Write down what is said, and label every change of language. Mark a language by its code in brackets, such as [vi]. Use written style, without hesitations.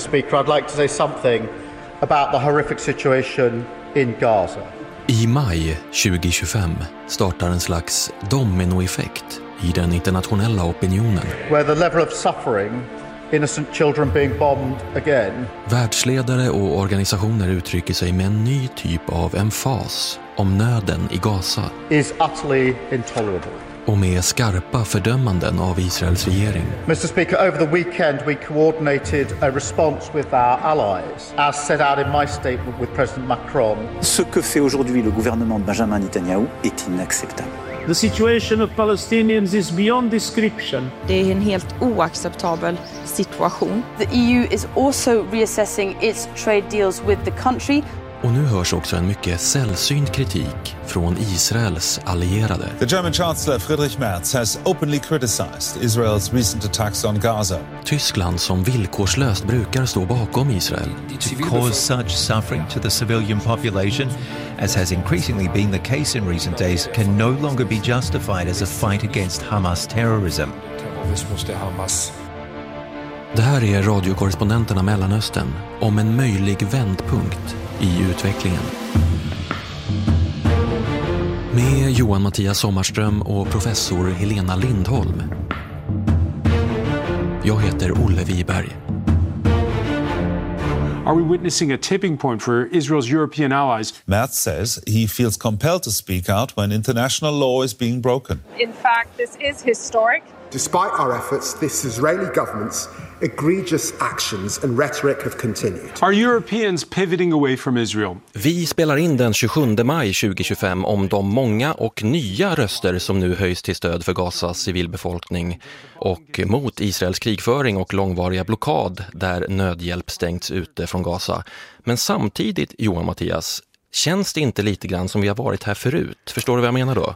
[en] Speaker, I'd like to say something about the horrific situation in Gaza. [sv] I maj 2025 startar en slags dominoeffekt i den internationella opinionen. [en] Where the level of suffering, innocent children being bombed again. [sv] Världsledare och organisationer uttrycker sig med en ny typ av emfas om nöden i Gaza. [en] Is utterly intolerable. [sv] Och med skarpa fördömanden av Israels regering. [en] Mr. Speaker, over the weekend we coordinated a response with our allies, as set out in my statement with President Macron. [fr] Ce que fait aujourd'hui le gouvernement de Benjamin Netanyahu est inacceptable. [en] The situation of Palestinians is beyond description. [sv] Det är en helt oacceptabel situation. [en] The EU is also reassessing its trade deals with the country. [sv] Och nu hörs också en mycket sällsynt kritik från Israels allierade. [en] The German Chancellor Friedrich Merz has openly criticized Israel's recent attacks on Gaza. [sv] Tyskland som villkorslöst brukar stå bakom Israel. [en] To cause such suffering to the civilian population, as has increasingly been the case in recent days, can no longer be justified as a fight against Hamas terrorism. [sv] Det här är radiokorrespondenterna Mellanöstern om en möjlig vändpunkt i utvecklingen. Med Johan Mattias Sommarström och professor Helena Lindholm. Jag heter Olle Wiberg. [en] Are we witnessing a tipping point for Israel's European allies? Matt says he feels compelled to speak out when international law is being broken. In fact, this is historic. Despite our efforts, this Israeli government's egregious actions and rhetoric have continued. Are Europeans pivoting away from Israel? [sv] Vi spelar in den 27 maj 2025 om de många och nya röster som nu höjs till stöd för Gazas civilbefolkning och mot Israels krigföring och långvariga blockad där nödhjälp stängts ute från Gaza. Men samtidigt, Johan Mattias, känns det inte lite grann som vi har varit här förut? Förstår du vad jag menar då?